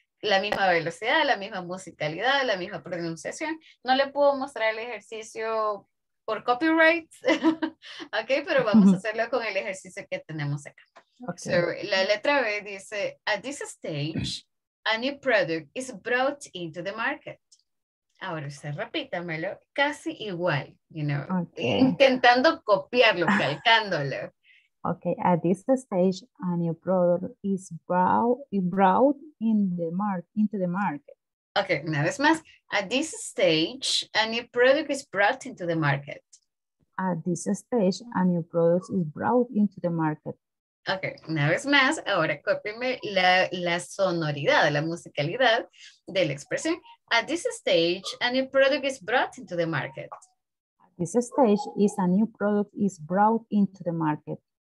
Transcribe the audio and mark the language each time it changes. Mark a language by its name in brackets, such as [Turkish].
[Spanish] La misma velocidad, la misma musicalidad, la misma pronunciación. No le puedo mostrar el ejercicio por copyright. Ok, pero vamos a hacerlo con el ejercicio que tenemos acá. Okay. [English] So, [Spanish] la letra B dice, [English] at this stage, a new product is brought into the market. [Spanish] Ahora usted repítamelo, casi igual, [English] you know, [Spanish] okay. Intentando copiarlo, calcándolo. [English] Okay, at this stage, a new product is brought into the market. Okay, [Spanish] una vez más, [English] at this stage, a new product is brought into the market. At this stage, a new product is brought into the market. [Spanish] Okay, una vez más, ahora cópienme la sonoridad, la musicalidad de la expresión. [English] At this stage, a new product is brought into the market. At this stage, is a new product is brought into the market.